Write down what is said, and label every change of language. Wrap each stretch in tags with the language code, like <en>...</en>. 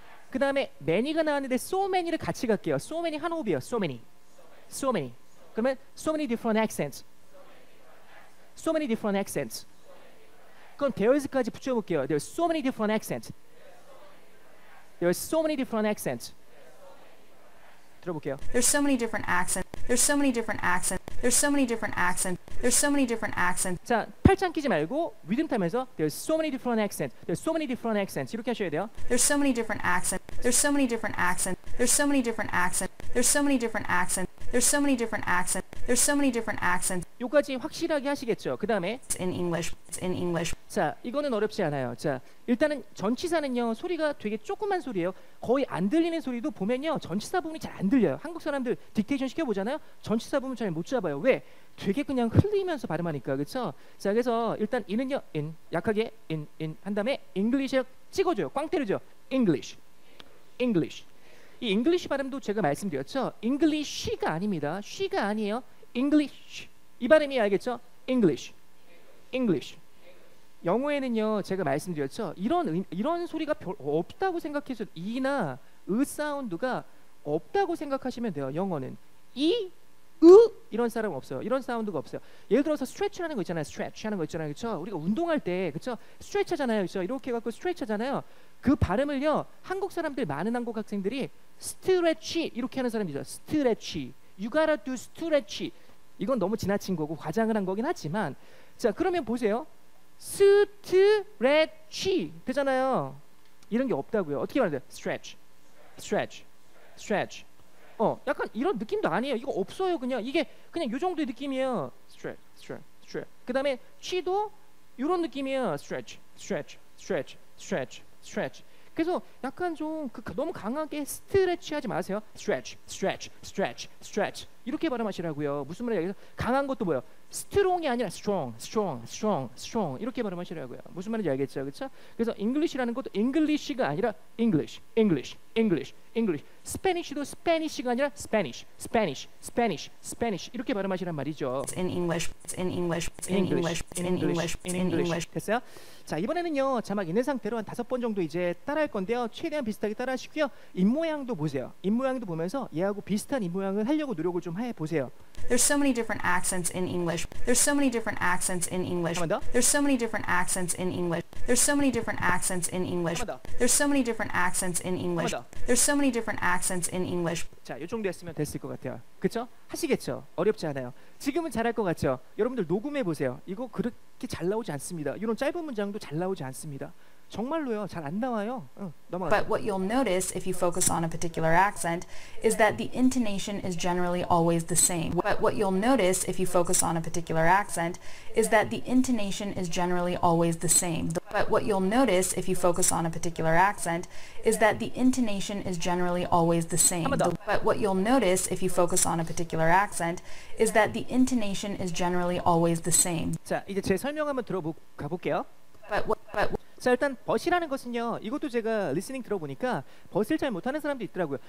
<ko>그 다음에 many가 나왔는데 so many를 같이 갈게요. So many 한 호흡이에요.</ko> <en>So many. 그러면 so many different accents. So many different accents.</en> <ko>그럼 there's까지 붙여볼게요.</ko> <en>There's so many different accents. There's so many different accents.</en> <ko>들어볼게요.</ko> <en>There's so many different accents. There's so many different accents. There's so many different accents. There's so many different accents.</en> <ko>자, 팔짱 끼지 말고 리듬 타면서</ko> <en>There's so many different accents. There's so many different accents.</en> <ko>이렇게 하셔야 돼요.</ko> <en>There's so many different accents. There's so many different accents. There's so many different accents. There's so many different accents. There's so many different accents. There's so many different accents.</en> <ko>요까지 확실하게 하시겠죠? 그다음에</ko> <en>in English.</en> <ko>자, 이거는 어렵지 않아요. 자, 일단은 전치사는요, 소리가 되게 조그만 소리예요. 거의 안 들리는 소리도 보면요, 전치사 부분이 잘 안 들려요. 한국 사람들 딕테이션 시켜보잖아요. 전치사 부분 잘 못 잡아요. 왜? 되게 그냥 흘리면서 발음하니까, 그쵸? 자, 그래서 일단 이는요, in, 약하게 in, in 한 다음에 English에 찍어줘요. 꽝 때리죠. English, English. 이 English 발음도 제가 말씀드렸죠. English가 아닙니다. She가 아니에요. English. 이 발음이 알겠죠? English, English. 영어에는요 제가 말씀드렸죠 이런 소리가 별 없다고 생각해서 E나 으 사운드가 없다고 생각하시면 돼요. 영어는 E, 으 이런 사람 없어요. 이런 사운드가 없어요. 예를 들어서 스트레치라는 거 있잖아요. 스트레치하는 거 있잖아요. 그렇죠? 우리가 운동할 때 그렇죠? 스트레치하잖아요. 그렇죠? 이렇게 갖고 스트레치하잖아요. 그 발음을요 한국 사람들 많은 한국 학생들이 스트레치 이렇게 하는 사람들이죠.</ko> <en>스트레치, you gotta do stretch.</en> <ko>이건 너무 지나친 거고 과장을 한 거긴 하지만 자 그러면 보세요. 스트레치 되잖아요. 이런 게 없다고요. 어떻게 말해요?</ko> <en>stretch, stretch, stretch.</en> <ko>어, 약간 이런 느낌도 아니에요. 이거 없어요. 그냥 이게 그냥 요 정도의 느낌이에요.</ko> <en>stretch, stretch, stretch.</en> <ko>그다음에 치도 이런 느낌이에요.</ko> <en>stretch, stretch, stretch, stretch, stretch.</en> <ko>그래서 약간 좀 너무 강하게 스트레치하지 마세요.</ko> <en>stretch, stretch, stretch, stretch.</en> <ko>이렇게 발음하시라고요. 무슨 말이냐면 강한 것도 뭐예요? 스트롱이 아니라 strong, strong, strong, strong 이렇게 발음하시라고요. 무슨 말인지 알겠죠, 그렇죠? 그래서 English라는 것도 English가 아니라 English, English, English, English. Spanish도 Spanish가 아니라 Spanish, Spanish, Spanish, Spanish 이렇게 발음하시란 말이죠.</ko> <en>It's in English, it's in English, it's in English, it's in English, it's in English. English.</en> <ko>됐어요? 자 이번에는요 자막 있는 상태로 한 다섯 번 정도 이제 따라할 건데요. 최대한 비슷하게 따라하시고요. 입 모양도 보세요. 입 모양도 보면서 얘하고 비슷한 입 모양을 하려고 노력을 좀 해 보세요. There's so many different accents in English. There's so many different accents in English. There's so many different accents in English. There's so many different accents in English. There's so many different accents in English. There's so many different accents in English. 자, 요 정도였으면 됐을 것 같아요. 그렇죠? 하시겠죠? 어렵지 않아요. 지금은 잘할 것 같죠? 여러분들 녹음해 보세요. 이거 그렇게 잘 나오지 않습니다. 이런 짧은 문장도 잘 나오지 않습니다. 정말로요. 잘 안 나와요. 넘어가.</ko> <en>But what you'll notice if you focus on a particular accent is that the intonation is generally always the same. But what you'll notice if you focus on a particular accent is that the intonation is generally always the same. But what you'll notice if you focus on a particular accent is that the intonation is generally always the same. But what you'll notice if you focus on a particular accent is that the intonation is generally always the same.</en> <ko>자, 이제 제 설명 한번 들어 볼게요.</ko> <en>But what</en> <ko>자 일단 버스라는 것은요 이것도 제가 리스닝 들어보니까 버스를 잘 못하는 사람도 있더라고요.</ko>